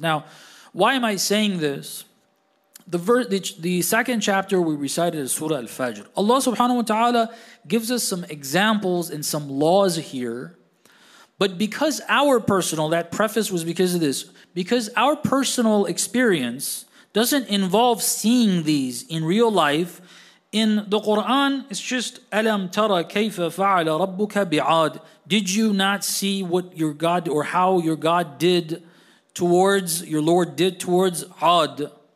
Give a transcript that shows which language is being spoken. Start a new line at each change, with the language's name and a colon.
English: Now, why am I saying this? The second chapter we recited is Surah Al-Fajr. Allah subhanahu wa ta'ala gives us some examples and some laws here, but because our personal, that preface was because of this, because our personal experience doesn't involve seeing these in real life. In the Quran, it's just
Arabic: أَلَمْ تَرَ كَيْفَ فَعَلَ رَبُّكَ بِعَادٍ.
English: Did you not see what your God or how your God did towards, your Lord did towards Ad?